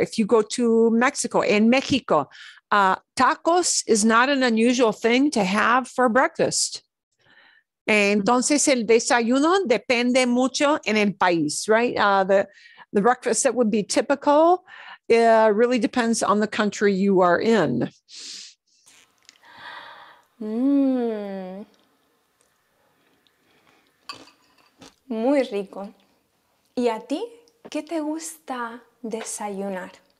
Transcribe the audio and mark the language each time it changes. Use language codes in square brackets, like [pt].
[en] If you go to Mexico, in Mexico, tacos is not an unusual thing to have for breakfast. [es] Entonces, el desayuno depende mucho en el país, [en] right? The breakfast that would be typical really depends on the country you are in. [es] Muy rico. ¿Y a ti qué te gusta desayunar?